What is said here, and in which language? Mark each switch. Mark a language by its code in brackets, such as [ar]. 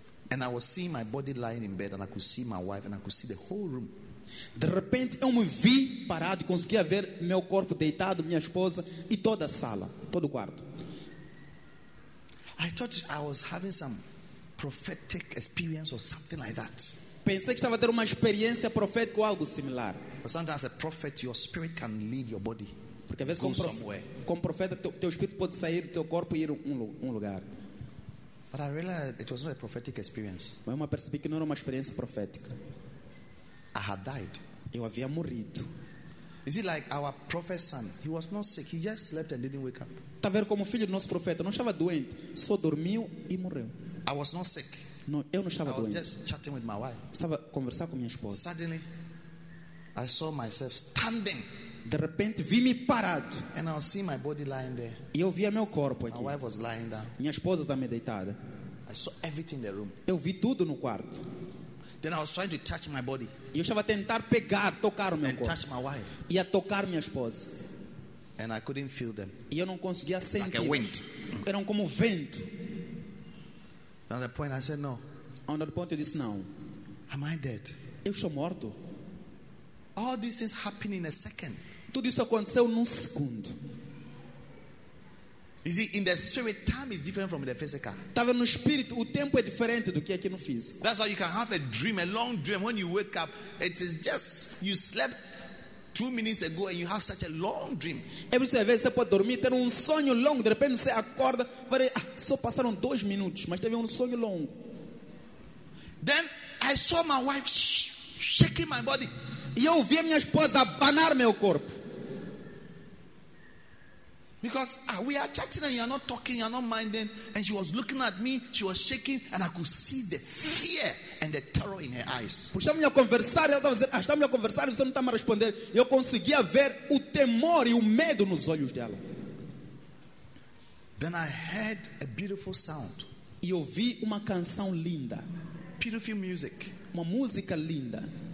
[en] And I was seeing my body lying in bed, and I could see my wife, and I could see the whole room. [pt] De repente eu me vi parado e conseguia ver meu corpo deitado, minha esposa e toda a sala, todo o quarto. [en] I thought I was having some prophetic experience or something like that. [pt] Pensei que estava a ter uma experiência profética ou algo similar. [en] Sometimes as a prophet, your spirit can leave your body. [pt] Porque às vezes como profeta, teu espírito pode sair do teu corpo e ir um lugar. [en] But I realized it was not a prophetic experience. [pt] Mas eu percebi que não era uma experiência profética. [en] I had died. [pt] Eu havia morrido. [en] Is it like our prophet's son? He was not sick. He just slept and didn't wake up. [pt] Tá vendo como filho do nosso profeta? Não estava doente. Só dormiu e morreu. [en] I was not sick. [pt] Não, eu não estava doente. [en] I was just chatting with my wife. [pt] Estava conversando com minha esposa. [en] Suddenly, I saw myself standing. [pt] De repente vi-me parado. [en] And I saw my body lying there. [pt] E eu via meu corpo aqui. [en] My wife was lying down. [pt] Minha esposa também deitada. [en] I saw everything in the room. [pt] Eu vi tudo no quarto. [en] Then I was trying to touch my body. [pt] Eu estava a tentar pegar, tocar o meu [en] and [pt] corpo. [en] Touch my wife. [pt] E a tocar minha esposa. [en] And I couldn't feel them. [pt] E eu não conseguia sentir. [en] Like a wind. [pt] Eram como vento. [en] At that point I said no. On that point, [pt] eu disse não. [en] Am I dead? [pt] Eu sou morto. [en] All this is happening in a second. [pt] Tudo isso aconteceu num segundo. [en] You see, in the spirit, time is different from the physical. [pt] Tá vendo, no espírito, o tempo é diferente do que aqui no físico. [en] That's why you can have a dream, a long dream. When you wake up, it is just you slept 2 minutes ago and you have such a long dream. [pt] É por isso que às vezes você pode dormir, ter um sonho longo, de repente você acorda, vai, ah, só passaram 2 minutos, mas teve um sonho longo. [en] Then I saw my wife shaking my body. [pt] E eu vi a minha esposa abanar meu corpo. [en] Because we are chatting and you are not talking, you are not minding. And she was looking at me, she was shaking, and I could see the fear and the terror in her eyes. [pt] Puxamos a conversar, ela estava dizendo, estamos a conversar, você não está me responder. Eu conseguia ver o temor e o medo nos olhos dela. [en] Then I heard a beautiful sound. [pt] E ouvi uma canção linda. [en] Beautiful music. [pt] Uma música linda.